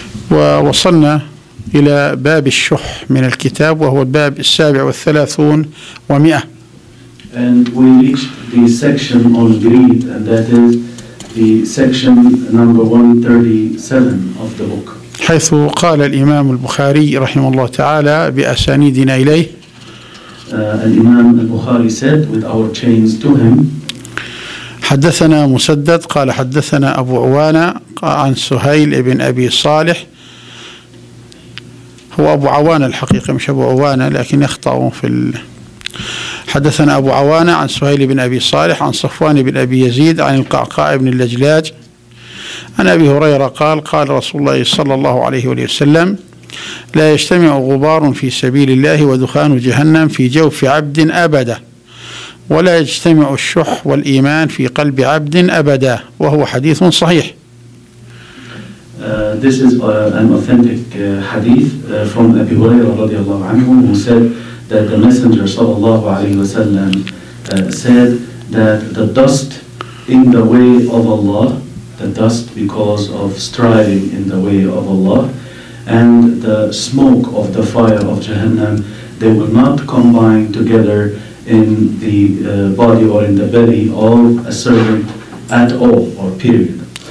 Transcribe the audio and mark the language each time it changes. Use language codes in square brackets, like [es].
[ar] ووصلنا إلى باب الشح من الكتاب، وهو الباب 37 و100. [en] And we reached the section on greed, and that is the section number 137 of the book. [ar] حيث قال الإمام البخاري رحمه الله تعالى بأسانيدنا إليه. [en] الإمام البخاري said with our chains to him. [ar] حدثنا مسدد قال حدثنا أبو عوانة عن سهيل ابن أبي صالح. هو أبو عوانة الحقيقة، مش أبو عوانة لكن يخطأ في ال... حدثنا أبو عوانة عن سهيل بن أبي صالح عن صفوان بن أبي يزيد عن القعقاع بن اللجلاج عن أبي هريرة قال قال رسول الله صلى الله عليه وسلم: لا يجتمع غبار في سبيل الله ودخان جهنم في جوف عبد أبدا، ولا يجتمع الشح والإيمان في قلب عبد أبدا. وهو حديث صحيح. [en] This is an authentic hadith from Abu Huraira radiallahu anhu, who said that the Messenger sallallahu alayhi wa sallam said that the dust in the way of Allah, the dust because of striving in the way of Allah, and the smoke of the fire of Jahannam, they will not combine together in the body or in the belly of a servant at all, or period.